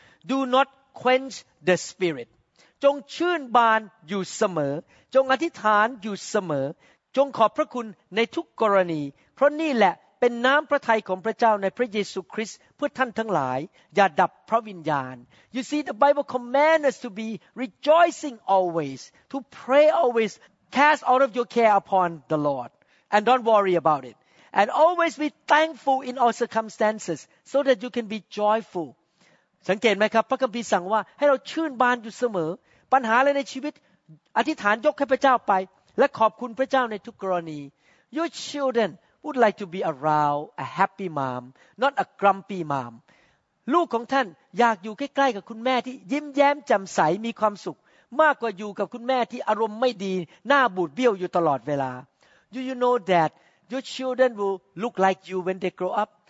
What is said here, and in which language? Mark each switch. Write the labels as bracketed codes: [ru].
[en] Do not quench the spirit. [th] จงชื่นบานอยู่เสมอจงอธิษฐานอยู่เสมอจงขอบพระคุณในทุกกรณีเพราะนี่แหละเป็นน้ำพระทัยของพระเจ้าในพระเยซูคริสต์เพื่อท่านทั้งหลายอย่าดับพระวิญญาณ [en] You see the Bible commands us to be rejoicing always, to pray always, cast all of your care upon the Lord, and don't worry about it. And always be thankful in all circumstances so that you can be joyful. [th] สังเกตไหมครับพระคัมภีร์สั่งว่าให้เราชื่นบานอยู่เสมอปัญหาอะไรในชีวิต อธิษฐานยกให้พระเจ้าไปและขอบคุณพระเจ้าในทุกกรณี [en] Your children would like to be around a happy mom, not a grumpy mom. [th] ลูกของท่านอยากอยู่ใกล้ๆกับคุณแม่ที่ยิ้มแย้มแจ่มใสมีความสุขมากกว่าอยู่กับคุณแม่ที่อารมณ์ไม่ดีหน้าบูดเบี้ยวอยู่ตลอดเวลา [en] You know that your children will look like you when they grow up.